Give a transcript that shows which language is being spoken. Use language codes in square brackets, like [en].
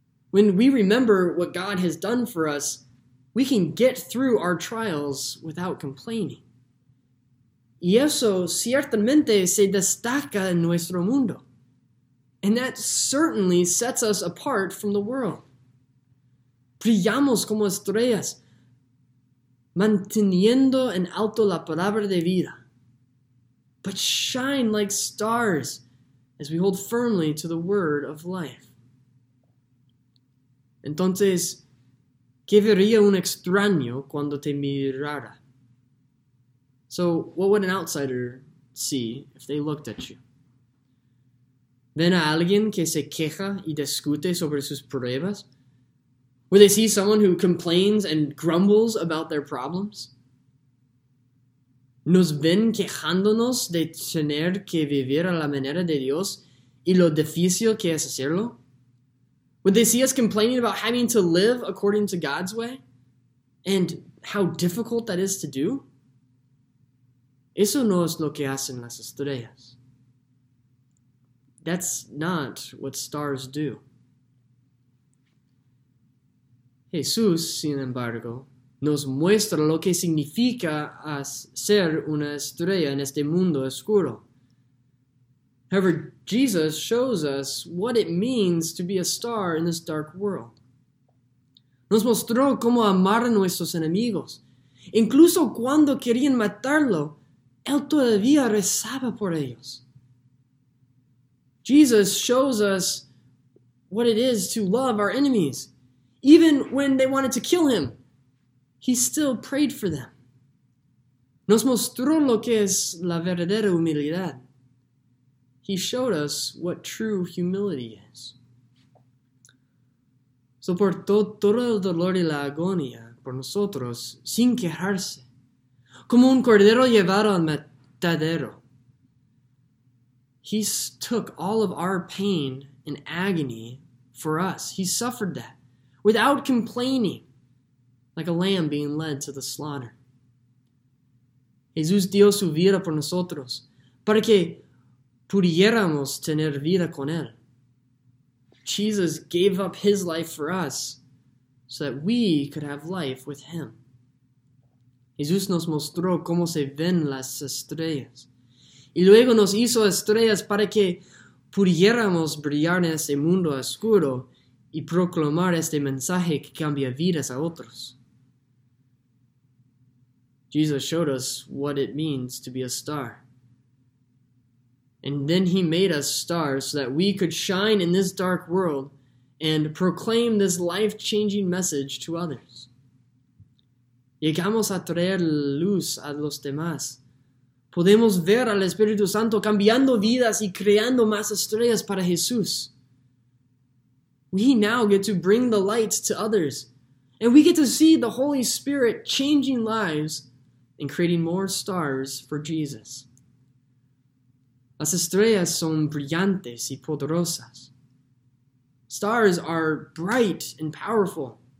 [en] When we remember what God has done for us, we can get through our trials without complaining. [es] Y eso ciertamente se destaca en nuestro mundo. [en] And that certainly sets us apart from the world. [es] Brillamos como estrellas, manteniendo en alto la palabra de vida. [en] But shine like stars as we hold firmly to the word of life. [es] Entonces, ¿qué vería un extraño cuando te mirara? [en] So, what would an outsider see if they looked at you? [es] ¿Ven a alguien que se queja y discute sobre sus pruebas? [en] Would they see someone who complains and grumbles about their problems? [es] ¿Nos ven quejándonos de tener que vivir a la manera de Dios y lo difícil que es hacerlo? [en] Would they see us complaining about having to live according to God's way and how difficult that is to do? [es] Eso no es lo que hacen las estrellas. [en] That's not what stars do. [es] Jesús, sin embargo, nos muestra lo que significa ser una estrella en este mundo oscuro. [en] However, Jesus shows us what it means to be a star in this dark world. [es] Nos mostró cómo amar a nuestros enemigos. Incluso cuando querían matarlo, Él todavía rezaba por ellos. [en] Jesus shows us what it is to love our enemies. Even when they wanted to kill Him, He still prayed for them. [es] Nos mostró lo que es la verdadera humildad. [en] He showed us what true humility is. [es] Soportó todo el dolor y la agonía por nosotros sin quejarse, como un cordero llevado al matadero. [en] He took all of our pain and agony for us. He suffered that without complaining, like a lamb being led to the slaughter. [es] Jesús dio su vida por nosotros para que pudiéramos tener vida con Él. [en] Jesus gave up His life for us so that we could have life with Him. [es] Jesús nos mostró cómo se ven las estrellas y luego nos hizo estrellas para que pudiéramos brillar en este mundo oscuro y proclamar este mensaje que cambia vidas a otros. [en] Jesus showed us what it means to be a star. And then He made us stars so that we could shine in this dark world and proclaim this life-changing message to others. [es] Llegamos a traer luz a los demás. Podemos ver al Espíritu Santo cambiando vidas y creando más estrellas para Jesús. [en] We now get to bring the light to others, and we get to see the Holy Spirit changing lives and creating more stars for Jesus. [es] Las estrellas son brillantes y poderosas. [en] Stars are bright and powerful.